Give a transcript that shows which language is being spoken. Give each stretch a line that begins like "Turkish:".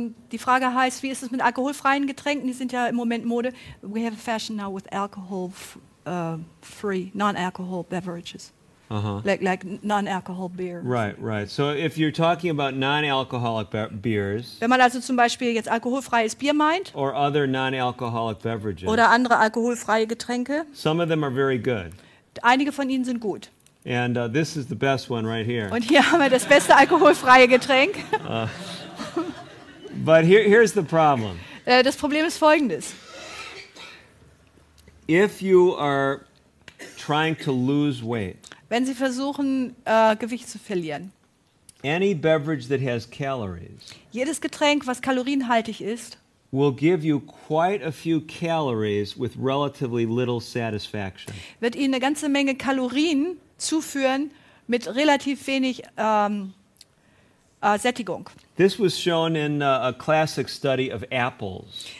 German: Die Frage heißt, wie ist es mit alkoholfreien Getränken? Die sind ja im Moment Mode.
English: We have a fashion now with alcohol-free, non-alcohol beverages. Uh-huh. Like non-alcohol beers. Right, right. So if you're talking about non-alcoholic beers.
German: Wenn man also zum Beispiel jetzt alkoholfreies Bier meint.
English: Or other non-alcoholic beverages.
German: Oder andere alkoholfreie Getränke.
English: Some of them are very good.
German: Einige von ihnen sind gut.
English: And this is the best one right here.
German: Und hier haben wir das beste alkoholfreie Getränk.
English: But here's the problem.
German: Das Problem ist folgendes.
English: If you are trying to lose weight.
German: Wenn Sie versuchen, Gewicht zu verlieren.
English: Any beverage that has calories.
German: Jedes Getränk, was kalorienhaltig ist.
English: Will give you quite a few calories with relatively little satisfaction.
German: Wird Ihnen eine ganze Menge Kalorien zuführen mit relativ wenig Sättigung.
English: This was shown in a classic study of apples.